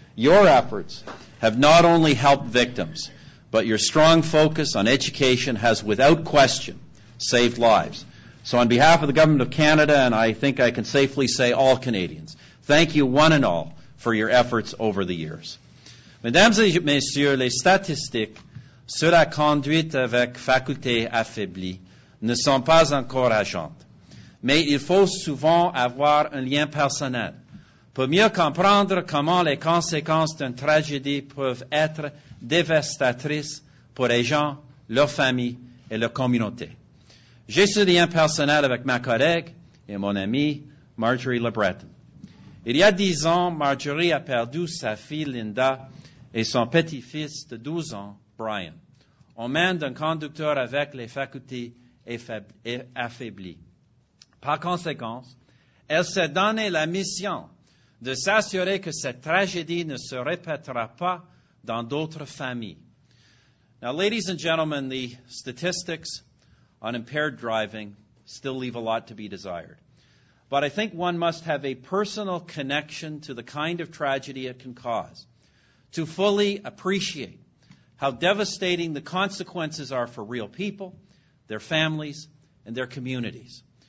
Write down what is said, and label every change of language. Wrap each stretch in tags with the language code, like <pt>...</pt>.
<en>Your efforts have not only helped victims, but your strong focus on education has, without question, saved lives. So on behalf of the Government of Canada, and I think I can safely say all Canadians, thank you one and all for your efforts over the years.</en> <fr>Mesdames et Messieurs, les statistiques sur la conduite avec faculté affaiblie ne sont pas encourageantes. Mais il faut souvent avoir un lien personnel pour mieux comprendre comment les conséquences d'une tragédie peuvent être dévastatrices pour les gens, leurs familles et leur communauté. J'ai ce lien personnel avec ma collègue et mon amie Marjorie LeBreton. Il y a 10 ans, Marjorie a perdu sa fille Linda et son petit-fils de 12 ans, Brian, aux mains d'un conducteur avec les facultés affaiblies. Par conséquent, elle s'est donné la mission de s'assurer que cette tragédie ne se répétera pas dans d'autres familles.</fr> <en>Now, ladies and gentlemen, the statistics on impaired driving still leave a lot to be desired. But I think one must have a personal connection to the kind of tragedy it can cause to fully appreciate how devastating the consequences are for real people, their families, and their communities.</en>